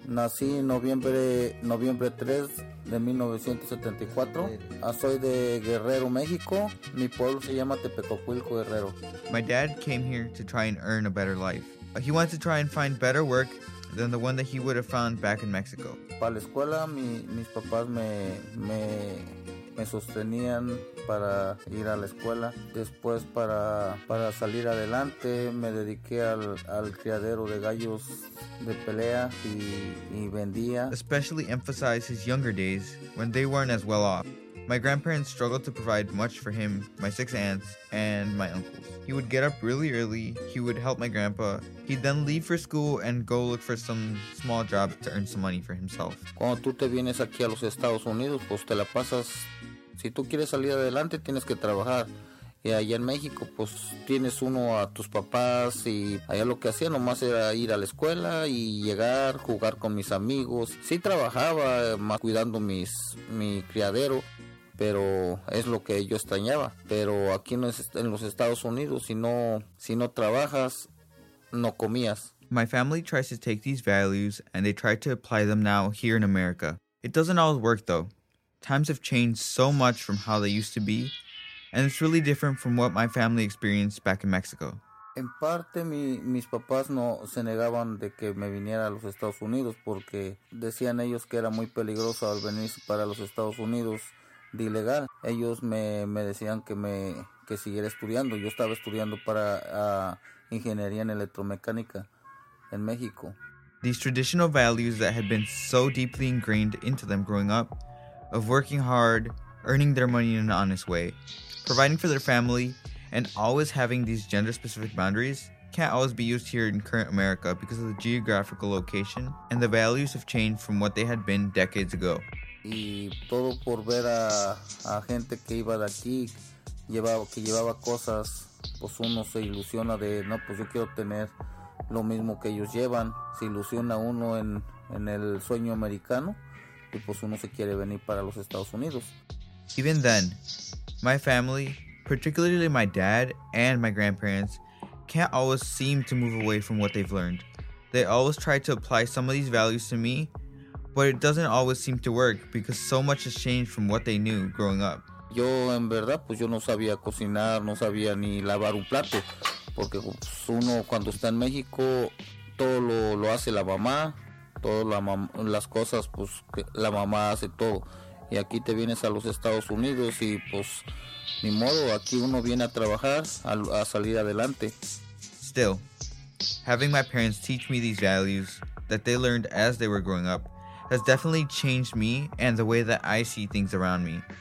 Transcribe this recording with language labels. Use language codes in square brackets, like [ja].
[es] Nací noviembre 3 de 1974. Soy de Guerrero, México. Mi pueblo se llama Tepecuacuilco, Guerrero. [en] My dad came here to try and earn a better life. He wants to try and find better work than the one that he would have found back in Mexico. [es] Para la escuela, mis papás me sostenían para ir a la escuela. Después para salir adelante me dediqué al criadero de gallos de pelea y vendía. [en] Especially emphasize his younger days when they weren't as well off. My grandparents struggled to provide much for him, my 6 aunts, and my uncles. He would get up really early, he would help my grandpa, he'd then leave for school and go look for some small job to earn some money for himself. [es] Cuando tú te vienes aquí a los Estados Unidos, pues te la pasas. Si tú quieres salir adelante, tienes que trabajar. Y allá en México, pues tienes uno a tus papás y allá lo que hacía nomás era ir a la escuela y llegar, jugar con mis amigos. Sí trabajaba, más cuidando mi criadero, pero es lo que yo extrañaba. Pero aquí en los Estados Unidos, si no trabajas, no comías. [en] My family tries to take these values and they try to apply them now here in America. It doesn't always work though. Times have changed so much from how they used to be, and it's really different from what my family experienced back in Mexico. [es] En parte, mis papás no se negaban de que me viniera a los Estados Unidos porque decían ellos que era muy peligroso al venir para los Estados Unidos de ilegal. Ellos me decían que siguiera estudiando. Yo estaba estudiando para ingeniería en electromecánica en México. [en] These traditional values that had been so deeply ingrained into them growing up, of working hard, earning their money in an honest way, providing for their family, and always having these gender-specific boundaries, can't always be used here in current America because of the geographical location and the values have changed from what they had been decades ago. [es] Y todo por ver a gente que iba de aquí, que llevaba cosas, pues uno se ilusiona de, no, pues yo quiero tener lo mismo que ellos llevan. Se ilusiona uno en el sueño americano. [en] Even then, my family, particularly my dad and my grandparents, can't always seem to move away from what they've learned. They always try to apply some of these values to me, but it doesn't always seem to work because so much has changed from what they knew growing up. [es] Yo en verdad, pues yo no sabía cocinar, no sabía ni lavar un plato, porque pues, uno cuando está en México, todo lo hace la mamá. Todas las cosas, pues, la mamá hace todo. Y aquí te vienes a los Estados Unidos y, pues, ni modo, aquí uno viene a trabajar, a salir adelante. [en] Still, having my parents teach me these values that they learned as they were growing up has definitely changed me and the way that I see things around me.